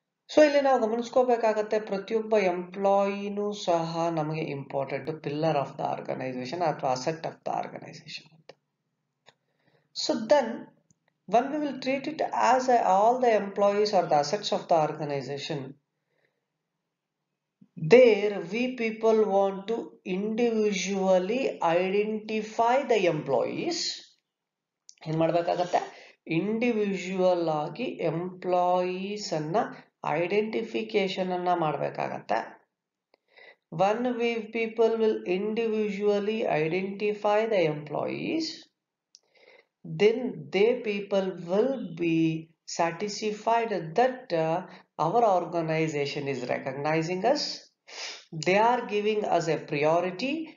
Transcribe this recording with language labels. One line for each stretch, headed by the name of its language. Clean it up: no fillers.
Kannada: So ಇಲ್ಲಿ ನಾವು ಗಮನಿಸ್ಕೋಬೇಕಾಗತ್ತೆ, ಪ್ರತಿಯೊಬ್ಬ ಎಂಪ್ಲಾಯಿನೂ ಸಹ ನಮಗೆ important,
English: pillar of the organisation
Kannada: ಅಥವಾ
English: asset of the organisation
Kannada: ಅಂತ.
English: So then one we will treat it as all the employees are the assets of the organisation. There we people want to individually identify the employees.
Kannada: ಏನು ಮಾಡಬೇಕಾಗತ್ತೆ, individual ಆಗಿ employees ಅನ್ನ identification ಅನ್ನ ಮಾಡಬೇಕಾಗತ್ತೆ.
English: One we people will individually identify the employees, then they people will be satisfied that our organisation is recognising us, they are giving us a priority.